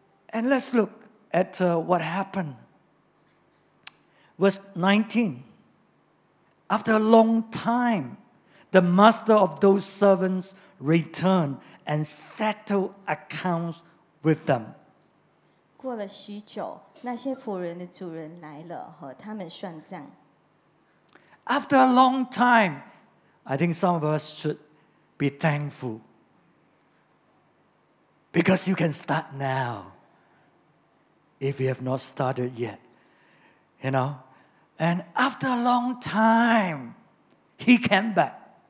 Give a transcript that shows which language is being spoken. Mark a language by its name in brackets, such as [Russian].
[English] And let's look at what happened. Verse 19. After a long time, the master of those servants returned and settled accounts with them. [Chinese] 过了许久, 那些仆人的主人来了和他们算账。 [English] After a long time, I think some of us should be thankful because you can start now if you have not started yet. You know? And after a long time, he came back.